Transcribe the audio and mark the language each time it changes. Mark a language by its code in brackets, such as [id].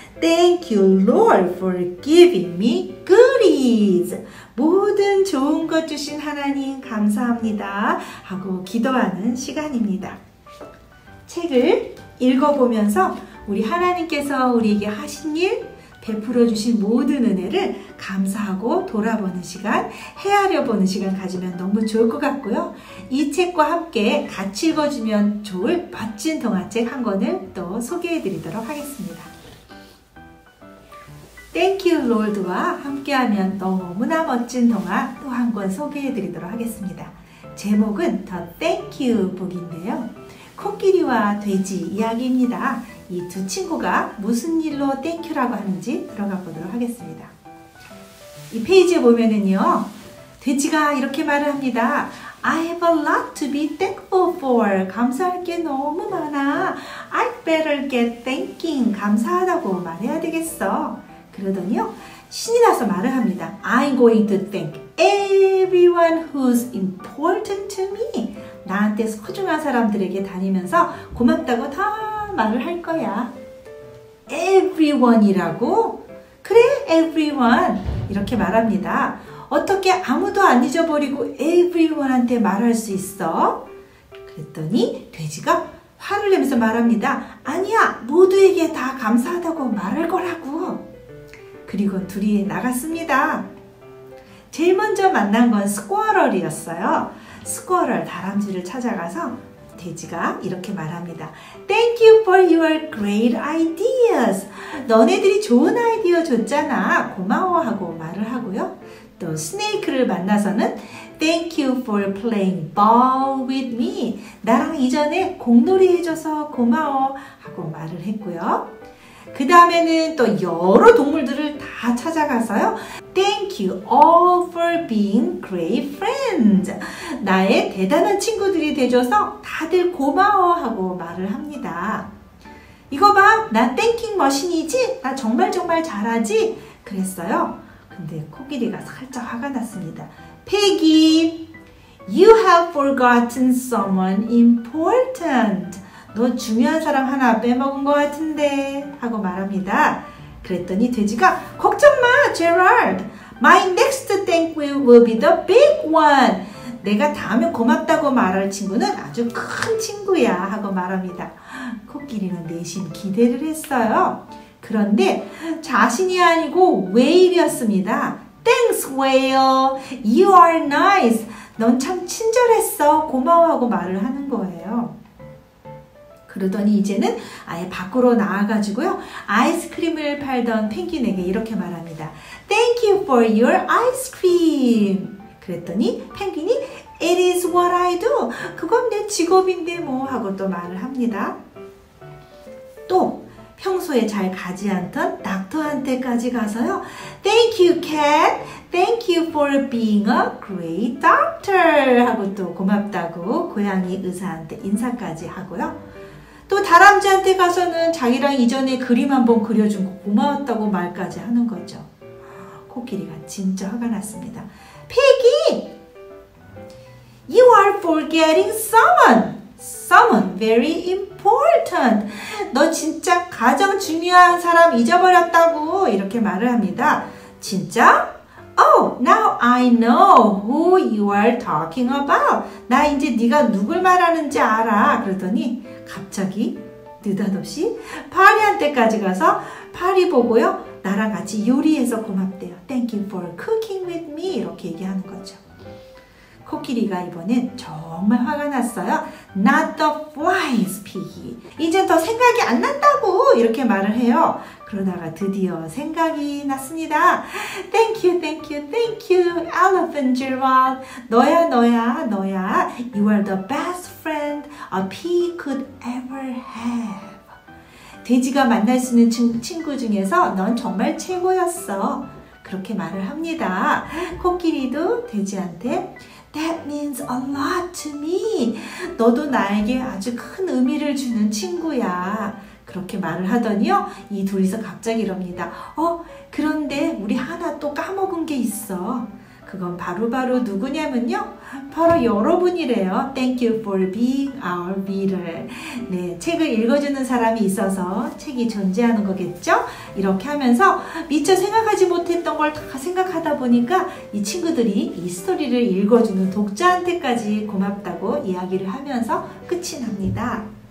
[en] Thank you, Lord, for giving me goodies. [ko] 모든 좋은 것 주신 하나님 감사합니다 하고 기도하는 시간입니다. 책을 읽어보면서 우리 하나님께서 우리에게 하신 일, 베풀어 주신 모든 은혜를 감사하고 돌아보는 시간, 헤아려 보는 시간 가지면 너무 좋을 것 같고요. 이 책과 함께 같이 읽어주면 좋을 멋진 동화책 한 권을 또 소개해 드리도록 하겠습니다. Thank you, Lord와 함께하면 너무나 멋진 동화 또 한 권 소개해 드리도록 하겠습니다. 제목은 The Thank You Book인데요. 코끼리와 돼지 이야기입니다. 이 두 친구가 무슨 일로 땡큐라고 하는지 들어가 보도록 하겠습니다. 이 페이지에 보면은요, 돼지가 이렇게 말을 합니다. [en] I have a lot to be thankful for. [ko] 감사할 게 너무 많아. [en] I better get thanking. [ko] 감사하다고 말해야 되겠어. 그러더니요, 신이 나서 말을 합니다. [en] I'm going to thank everyone who's important to me. [ko] 나한테 소중한 사람들에게 다니면서 고맙다고 다 말을 할 거야. Everyone이라고? 그래, everyone. 이렇게 말합니다. 어떻게 아무도 안 잊어버리고 everyone한테 말할 수 있어? 그랬더니 돼지가 화를 내면서 말합니다. 아니야, 모두에게 다 감사하다고 말할 거라고. 그리고 둘이 나갔습니다. 제일 먼저 만난 건 스쿼럴이었어요. 스쿼럴 다람쥐를 찾아가서 돼지가 이렇게 말합니다. [en] Thank you for your great ideas. [ko] 너네들이 좋은 아이디어 줬잖아. 고마워 하고 말을 하고요. 또 스네이크를 만나서는 [en] Thank you for playing ball with me. [ko] 나랑 이전에 공놀이 해줘서 고마워 하고 말을 했고요. 그 다음에는 또 여러 동물들을 다 찾아가서요. [en] Thank you all for being great friends. [ko] 나의 대단한 친구들이 돼줘서 다들 고마워 하고 말을 합니다. 이거 봐, 나 땡킹 머신이지? 나 정말 정말 잘하지? 그랬어요. 근데 코끼리가 살짝 화가 났습니다. [en] Peggy, you have forgotten someone important. [ko] 너 중요한 사람 하나 빼먹은 것 같은데 하고 말합니다. 그랬더니 돼지가 걱정 마, Gerald. [en] My next thank you will be the big one. [ko] 내가 다음에 고맙다고 말할 친구는 아주 큰 친구야 하고 말합니다. 코끼리는 내심 기대를 했어요. 그런데 자신이 아니고 웨일이었습니다. [en] Thanks, whale. You are nice. [ko] 넌 참 친절했어. 고마워 하고 말을 하는 거예요. 그러더니 이제는 아예 밖으로 나와가지고요. 아이스크림을 팔던 펭귄에게 이렇게 말합니다. [en] Thank you for your ice cream. [ko] 그랬더니 펭귄이 [en] It is what I do. [ko] 그건 내 직업인데 뭐 하고 또 말을 합니다. 또 평소에 잘 가지 않던 닥터한테까지 가서요. [en] Thank you, cat. Thank you for being a great doctor. [ko] 하고 또 고맙다고 고양이 의사한테 인사까지 하고요. 또 다람쥐한테 가서는 자기랑 이전에 그림 한번 그려준 거 고마웠다고 말까지 하는 거죠. 코끼리가 진짜 화가 났습니다. [en] Piggy! You are forgetting someone! Someone very important! [ko] 너 진짜 가장 중요한 사람 잊어버렸다고 이렇게 말을 합니다. 진짜? [en] Oh, now I know who you are talking about. [ko] 나 이제 네가 누굴 말하는지 알아. 그러더니 갑자기 느닷없이 파리한테까지 가서 파리 보고요. 나랑 같이 요리해서 고맙대요. [en] Thank you for cooking with me. [ko] 이렇게 얘기하는 거죠. 코끼리가 이번엔 정말 화가 났어요. [en] Not the flies, Piggy. [ko] 이제 더 생각이 안 난다고 이렇게 말을 해요. 그러다가 드디어 생각이 났습니다. [en] Thank you, thank you, thank you, Elephant Gerald. [ko] 너야, 너야, 너야. [en] You are the best friend a pig could ever have. [ko] 돼지가 만날 수 있는 친구 중에서 넌 정말 최고였어. 그렇게 말을 합니다. 코끼리도 돼지한테 [en] That means a lot to me. [ko] 너도 나에게 아주 큰 의미를 주는 친구야. 그렇게 말을 하더니요, 이 둘이서 갑자기 이럽니다. 그런데 우리 하나 또 까먹은 게 있어. 그건 바로 누구냐면요, 바로 여러분이래요. [en] Thank you for being our reader. [ko] 네, 책을 읽어주는 사람이 있어서 책이 존재하는 거겠죠? 이렇게 하면서 미처 생각하지 못했던 걸 다 생각하다 보니까 이 친구들이 이 스토리를 읽어주는 독자한테까지 고맙다고 이야기를 하면서 끝이 납니다.